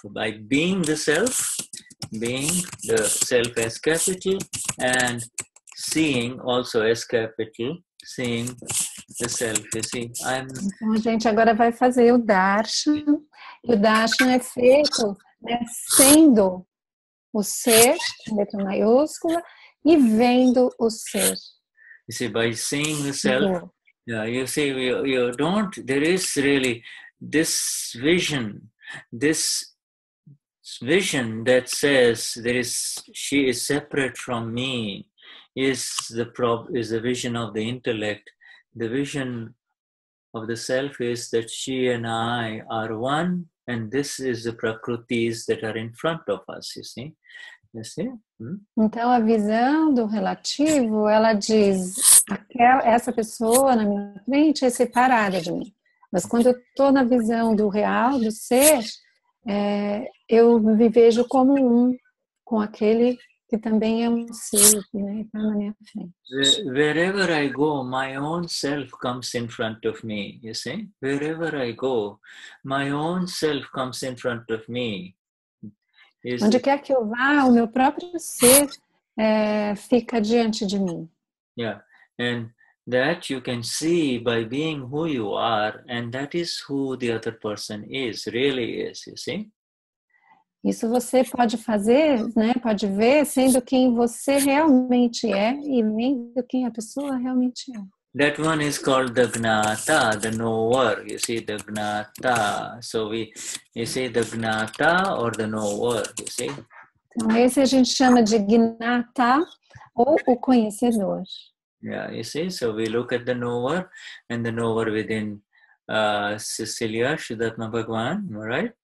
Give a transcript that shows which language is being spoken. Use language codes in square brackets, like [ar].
[en] By being the self, being the self as capital, and seeing also as capital, seeing the self. You see, I'm. [pt] Então, gente, agora vai fazer o darshan. O darshan é feito, né, sendo o ser, letra maiúscula, e vendo o ser. [en] You see, by seeing the self, you see, you don't, there is really this vision that says there is, she is separate from me, is the vision of the intellect. The vision of the self is that she and I are one, and this is the prakritis that are in front of us, you see. [pt] Então, a visão do relativo, ela diz, essa pessoa na minha frente é separada de mim. Mas quando eu estou na visão do real, do ser, eu me vejo como um com aquele que também é um ser, que está na minha frente. [en] Wherever I go, my own self comes in front of me, you see? Wherever I go, my own self comes in front of me. [pt] Onde quer que eu vá, o meu próprio ser fica diante de mim. [en] Yeah, and that you can see by being who you are, and that is who the other person is, really is, you see? [pt] Isso você pode fazer, né? Pode ver sendo quem você realmente é e vendo quem a pessoa realmente é. [en] That one is called the gnata, the knower. You see, the gnata. So we, you see, the gnata or the knower, you see? [pt] Então esse a gente chama de gnata ou o conhecedor. [en] Yeah, you see, so we look at the knower and the knower within Cecilia, Shuddhatma Bhagwan, right?